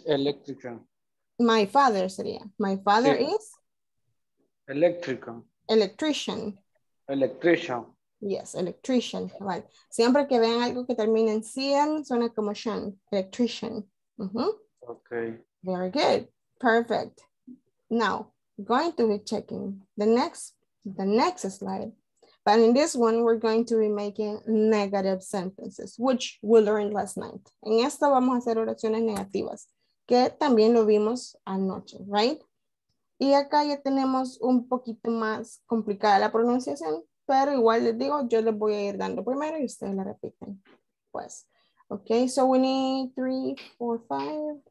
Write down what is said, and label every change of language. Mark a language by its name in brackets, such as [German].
[English] electrician. My father sería. My father is? Electrician. Electrician. Electrician. Yes, electrician. Right. [Spanish] Siempre que vean algo que termine en cien, suena como shan. [English] Electrician. Okay. Very good. Perfect. Now, going to be checking the next slide. But in this one, we're going to be making negative sentences, which we learned last night. [Spanish] En esta vamos a hacer oraciones negativas, que también lo vimos anoche, right? Y acá ya tenemos un poquito más complicada la pronunciación, pero igual les digo, yo les voy a ir dando primero y ustedes la repiten. [English] Pues, okay, so we need 3, 4, 5.